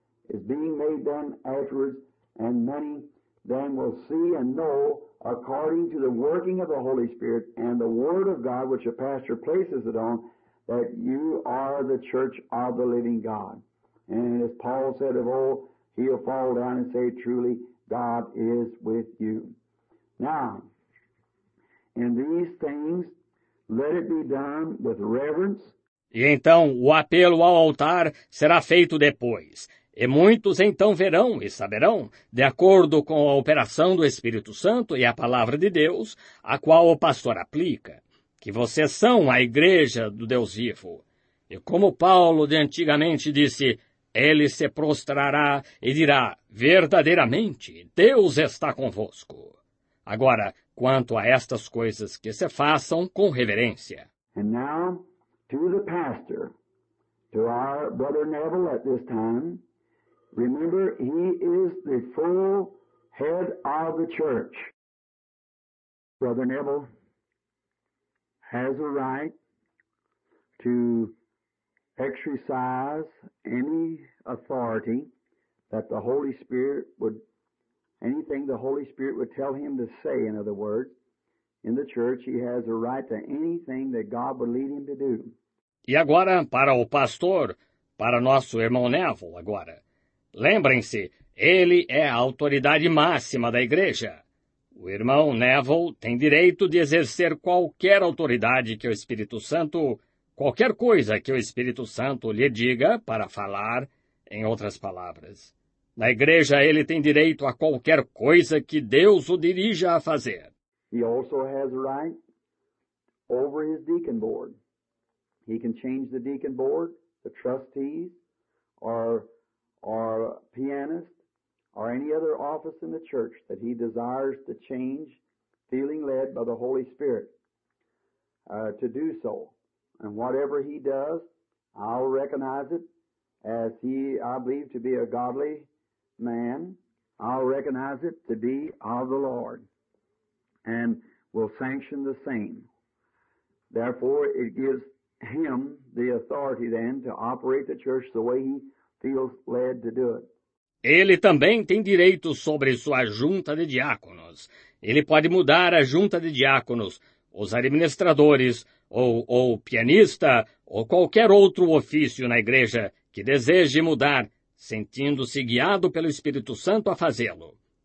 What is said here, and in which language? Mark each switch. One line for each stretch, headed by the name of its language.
English: Is being made then afterwards, and many then will see and know according to the working of the Holy Spirit and the Word of God, which a pastor places it on, that you are the church of the living God. And as Paul said of old, he'll fall down and say, truly, God is with you. Now, in these things, let it be done with reverence.
Portuguese: E então o apelo ao altar será feito depois. E muitos então verão e saberão, de acordo com a operação do Espírito Santo e a palavra de Deus, a qual o pastor aplica, que vocês são a igreja do Deus vivo. E como Paulo de antigamente disse, ele se prostrará e dirá, verdadeiramente, Deus está convosco. Agora, quanto a estas coisas que se façam com reverência.
English: And now, to the pastor, to our brother Neville at this time. Remember, he is the full head of the church. Brother Neville has a right to exercise any authority that the Holy Spirit would, anything the Holy Spirit would tell him to say, in other words, in the church, he has a right to anything that God would lead him to do.
Portuguese: E agora, para o pastor, para nosso irmão Neville, agora. Lembrem-se, ele é a autoridade máxima da igreja. O irmão Neville tem direito de exercer qualquer autoridade que o Espírito Santo, qualquer coisa que o Espírito Santo lhe diga para falar, em outras palavras. Na igreja ele tem direito a qualquer coisa que Deus o dirija a fazer.
English: He also has a right over his deacon board. He can change the deacon board, the trustees, or pianist, or any other office in the church that he desires to change, feeling led by the Holy Spirit to do so. And whatever he does, I'll recognize it as he, I believe, to be a godly man. I'll recognize it to be of the Lord and will sanction the same. Therefore, it gives him the authority then to operate the church the way he feels led to do it.
Portuguese: Ele também tem direito sobre sua junta de diáconos. Ele pode mudar a junta de diáconos, os administradores, ou pianista, ou qualquer outro ofício na igreja que deseje mudar, sentindo-se guiado pelo Espírito Santo a fazê-lo.